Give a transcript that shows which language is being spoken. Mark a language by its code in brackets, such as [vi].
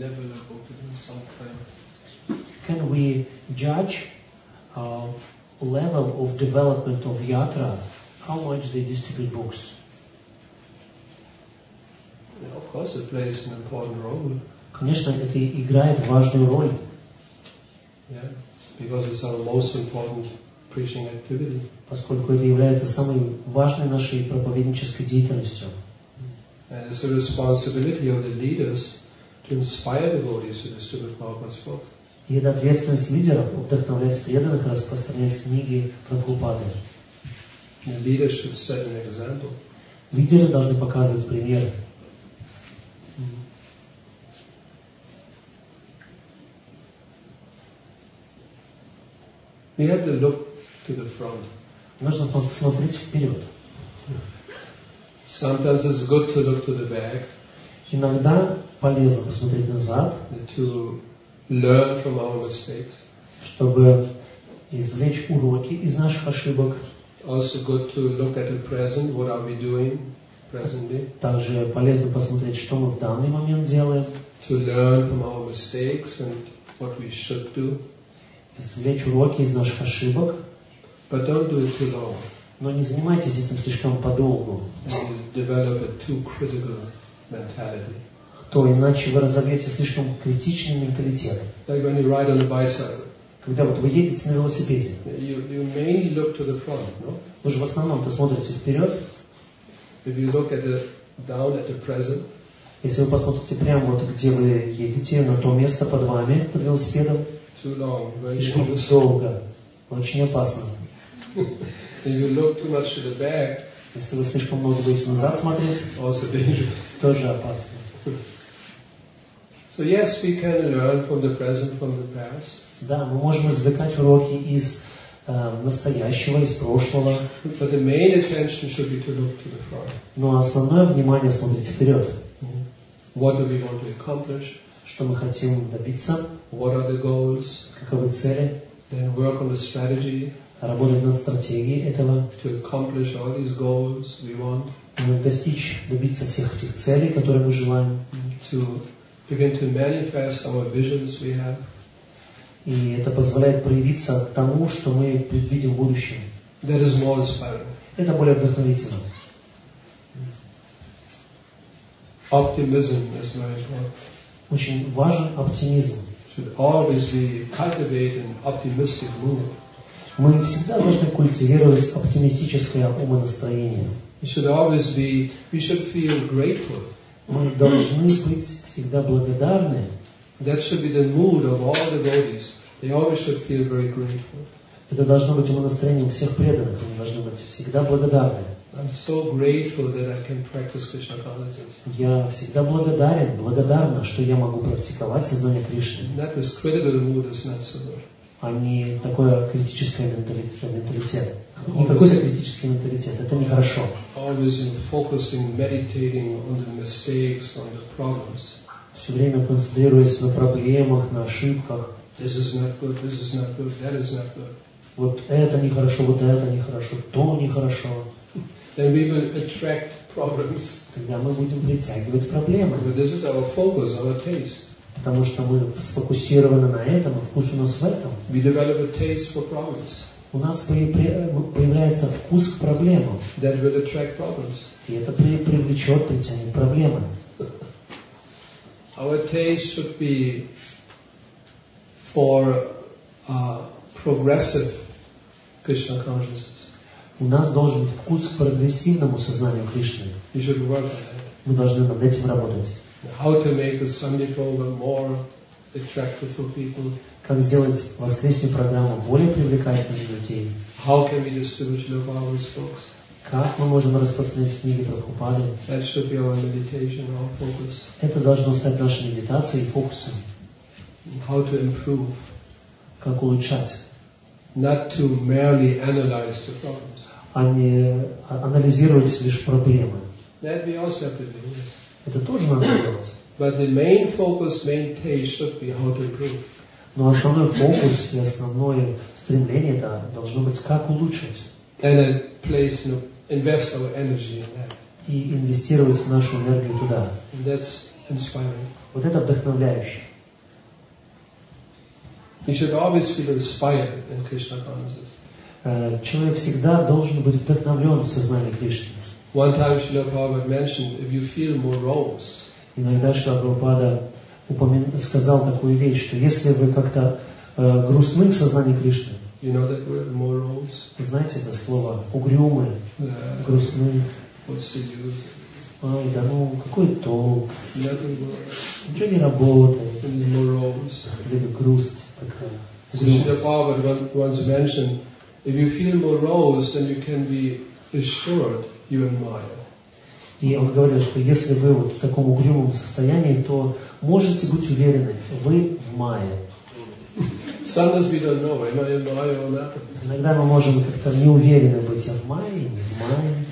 [en] Level of book distribution, some kind of... Can we judge level of development of yatra? How much they distribute books? Yeah, of course it plays an important role. [ru] Конечно, это играет важную роль. [en] Yeah, because it's our most important preaching activity. [ru] Поскольку это является самой важной нашей проповеднической деятельностью. [en] And it's the responsibility of the leaders to inspire devotees to distribute Prabhupada's book. [ru] И это ответственность лидеров вдохновлять преданных распространять книги Прабхупады. [en] The leaders should set an example. [ru] Лидеры должны показывать пример. [en] We have to look to the front. [ru] Нужно посмотреть вперед. [en] Sometimes it's good to look to the back. [ru] Иногда полезно посмотреть назад. [en] To learn from our mistakes. [ru] Чтобы извлечь уроки из наших ошибок. [en] Also good to look at the present. What are we doing presently? [ru] Также полезно посмотреть, что мы в данный момент делаем. [en] To learn from our mistakes and what we should do. [ru] Извлечь уроки из наших ошибок. [en] But don't do it too long. [ru] Но не занимайтесь этим слишком подолгу. [en] And you develop a too critical mentality. [ru] То иначе вы разовьете слишком критичный менталитет. [en] Like when you ride on a bicycle. [ru] Когда вот вы едете на велосипеде. [en] You mainly look to the front, no? [ru] Вы же в основном то смотрите вперед. [en] If you look at the down at the present. [ru] Если вы посмотрите прямо вот где вы едете на то место под вами под велосипедом. [en] Too long. [ru] Слишком долго. Очень опасно. [en] If you look too much to the back, [ru] если вы слишком много будете назад смотреть, тоже опасно. [en] So yes, we can learn from the present, from the past. [ru] Да, мы можем извлекать уроки из настоящего, из прошлого. [en] But the main attention should be to look to the front. [ru] Но основное внимание смотреть вперед. [en] What do we want to accomplish? [ru] Что мы хотим добиться? [en] What are the goals? [ru] Каковы цели? [en] Then work on the strategy. [ru] Работать над стратегией этого. [en] To accomplish all these goals we want. [ru] Добиться всех этих целей, которые мы желаем. [en] To begin to manifest our visions we have. [ru] И это позволяет проявиться тому, что мы предвидим в будущем. [en] That is more inspiring. [ru] Это более вдохновительно. [en] Optimism is very important. [ru] Очень важен оптимизм. [en] Should always be cultivating optimistic mood. [ru] Мы всегда должны культивировать оптимистическое умонастроение. [en] We should feel grateful. [ru] Мы должны быть всегда благодарны. [en] That should be the mood of all the devotees. They always should feel very grateful. [ru] Это должно быть умонастроением всех преданных. Они должны быть всегда благодарны. [en] I'm so grateful that I can practice Krishna consciousness. [ru] Я всегда благодарен, благодарна, что я могу практиковать сознание Кришны. [en] That is critical mood is not so good. [ru] А не такое критическое менталитет. Не какой-то критический менталитет. Это нехорошо. [en] Always in focusing, meditating on the mistakes, on the problems. [ru] Все время концентрируясь на проблемах, на ошибках. [en] This is not good, this is not good, that is not good. [ru] Вот это нехорошо, вот это нехорошо, то нехорошо. [en] Then we will attract problems. [ru] Тогда мы будем притягивать проблемы. [en] But this is our focus, our taste. [ru] Потому что мы сфокусированы на этом, а вкус у нас в этом. [en] We develop a taste for problems. [ru] У нас появляется вкус к проблемам. [en] That will attract problems. [ru] И это привлечет, притянет проблемы. [en] Our taste should be for progressive Krishna consciousness. [ru] У нас должен быть вкус к прогрессивному сознанию Кришны. [en] We should work on that. [ru] Мы должны над этим работать. [en] How to make the Sunday program more attractive for people? [ru] Как сделать воскресную программу более привлекательной для людей? [en] How can we distribute Prabhupada's books? [ru] Как мы можем распространять книги Прабхупады? [en] That should be our meditation, our focus. [ru] Это должно стать нашей медитацией и фокусом. [en] How to improve? [ru] Как улучшать? [en] Not to merely analyze the problems. [ru] А не анализировать лишь проблемы. [en] That we also have to do this. [ru] Это тоже надо делать. [en] But the main focus, main taste should be how to improve. [ru] Но основной фокус и основное стремление это должно быть как улучшить. [en] And place, you know, invest our energy in that. [ru] И инвестировать нашу энергию туда. [en] And that's inspiring. [ru] Вот это вдохновляюще. [en] You should always feel inspired in Krishna consciousness. [ru] Человек всегда должен быть вдохновлен в сознании Кришны. [en] One time Srila Prabhupada mentioned, if you feel morose. [ru] Иногда Шрила Прабхупада сказал такую вещь, что если вы как-то грустны в сознании Кришны. [en] You know that word morose? [ru] Знаете это слово? Угрюмый, грустный. [en] What's the use? [ru] Ой, да ну, какой толк? [en] Nothing good. [ru] Ничего не работает. [en] And morose. [ru] Или грусть такая. [en] So Srila Prabhupada once mentioned, if you feel morose, then you can be assured. You admire. [ru] И он говорил, что если вы вот в таком угрюмом состоянии, то можете быть уверены, вы в мае. [en] Sometimes we don't know. Am I in May or not? [ru] Иногда мы можем как-то неуверенно быть, а в мае, не в мае.